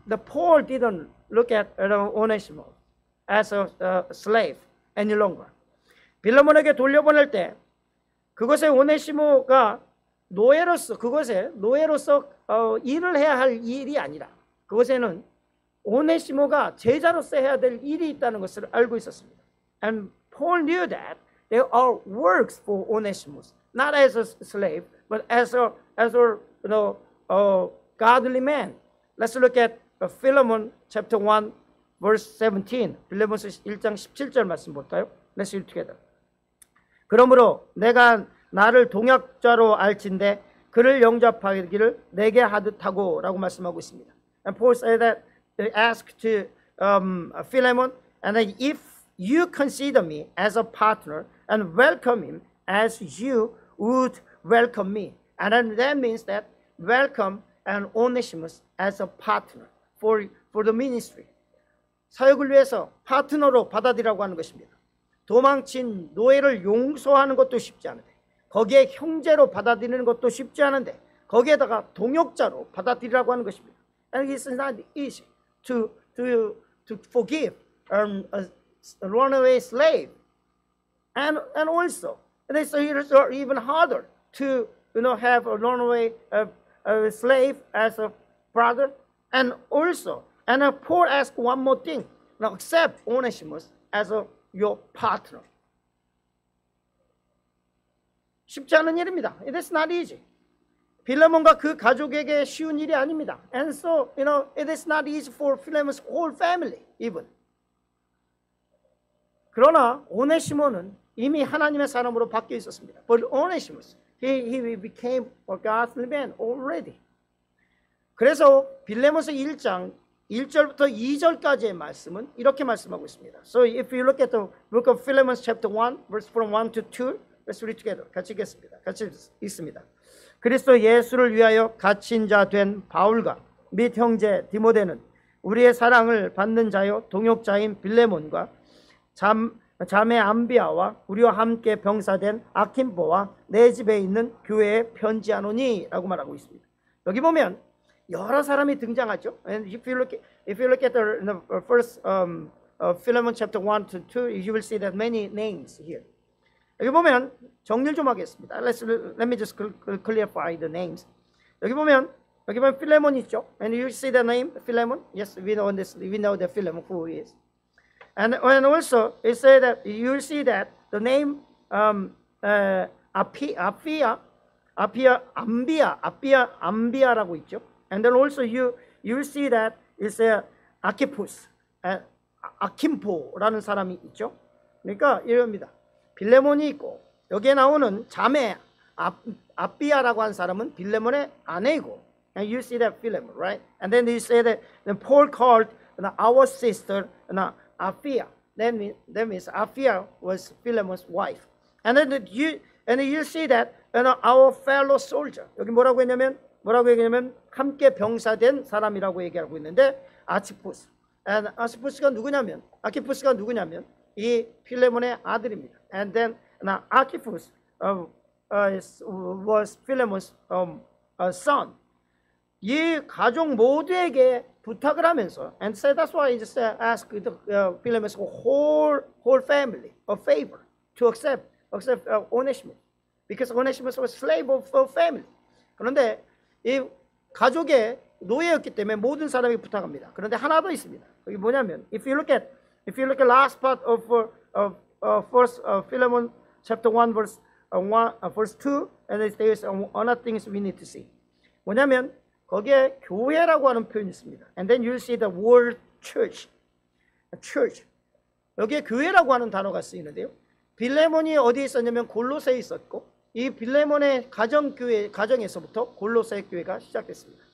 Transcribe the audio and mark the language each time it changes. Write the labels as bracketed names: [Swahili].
[English] The Paul didn't look at Onesimus as a slave any longer. [Korean] 빌레몬에게 돌려보낼 때 그것에 오네시모가 노예로서 일을 해야 할 일이 아니라 그것에는 오네시모가 제자로서 해야 될 일이 있다는 것을 알고 있었습니다. [English] And Paul knew that there are works for Onesimus, not as a slave, but as a godly man. Let's look at Philemon chapter 1 verse 17. [Korean] 빌레몬서 1장 17절 말씀 볼까요? [English] Let's read together. [Korean] 그러므로 내가 나를 동역자로 알진대 그를 영접하기를 내게 하듯하고 라고 말씀하고 있습니다. [English] And Paul said that they asked to Philemon and then if you consider me as a partner and welcome him as you would welcome me. And then that means that welcome and Onesimus as a partner for the ministry. [Korean] 사역을 위해서 파트너로 받아들이라고 하는 것입니다. 도망친 노예를 용서하는 것도 쉽지 않은데, 거기에 형제로 받아들이는 것도 쉽지 않은데, 거기에다가 동역자로 받아들이라고 하는 것입니다. [English] And it's not easy to forgive a runaway slave. And also, it's even harder to you know have a runaway a slave as a brother. And also, and Paul asks one more thing. Now accept Onesimus as your partner. [Korean] 쉽지 않은 일입니다. [English] It is not easy. [Korean] 빌레몬과 그 가족에게 쉬운 일이 아닙니다. [English] And so, you know, it is not easy for Philemon's whole family, even. [Korean] 그러나 오네시모는 이미 하나님의 사람으로 바뀌어 있었습니다. [English] But Onesimus, he became a godly man already. [Korean] 그래서 빌레몬서 1장 1절부터 2절까지의 말씀은 이렇게 말씀하고 있습니다. [English] So if you look at the book of Philemon chapter 1, verse from 1 to 2, let's read together. [Korean] 같이 읽겠습니다. 같이 읽습니다. 그리스도 예수를 위하여 갇힌 자 된 바울과 및 형제 디모데는 우리의 사랑을 받는 자요 동역자인 빌레몬과 자매 암비아와 우리와 함께 병사된 아킴보와 내 집에 있는 교회에 편지하노니 라고 말하고 있습니다. 여기 보면 여러 사람이 등장하죠. [English] And if you look at the first Philemon chapter 1 to 2, you will see that many names here. [Korean] 여기 보면 정리를 좀 하겠습니다. [English] Let me just clarify the names. [Korean] 여기 보면 필레몬 있죠. [English] And you see the name Philemon? Yes, we know the Philemon who he is. And also it say that you see that the name Appia Ambia라고 있죠. And then also you see that it's a Archippus, [Korean] Akimpo라는 사람이 있죠. 그러니까 이겁니다. 빌레몬이 있고 여기에 나오는 자매 아비아라고 한 사람은 빌레몬의 아내이고. [English] And you see that Philemon, right? And then you say that then Paul called our sister, Apphia. That means Apphia was Philemon's wife. And then you see that our fellow soldier. [Korean] 여기 뭐라고 했냐면 함께 병사된 사람이라고 얘기하고 있는데 아치푸스. And 아키푸스가 누구냐면 이 필레몬의 아들입니다. [English] And then Archippus was Philemon's son. [Korean] 이 가족 모두에게 부탁을 하면서 [English] and said that's why he just asked Philemon's whole family a favor to accept Onesimus because Onesimus was slave of a family. [Korean] 그런데 이 가족의 노예였기 때문에 모든 사람에게 부탁합니다. 그런데 하나 더 있습니다. 그게 뭐냐면 [English] if you look at last part of first Philemon chapter 1 verse 2 and there is another things we need to see. [Korean] 뭐냐면 거기에 교회라고 하는 표현이 있습니다. [English] And then you see the word church. [Korean] 여기에 교회라고 하는 단어가 쓰이는데요. 빌레몬이 어디에 있었냐면 골로새에 있었고 이 빌레몬의 가정에서부터 골로새 교회가 시작됐습니다.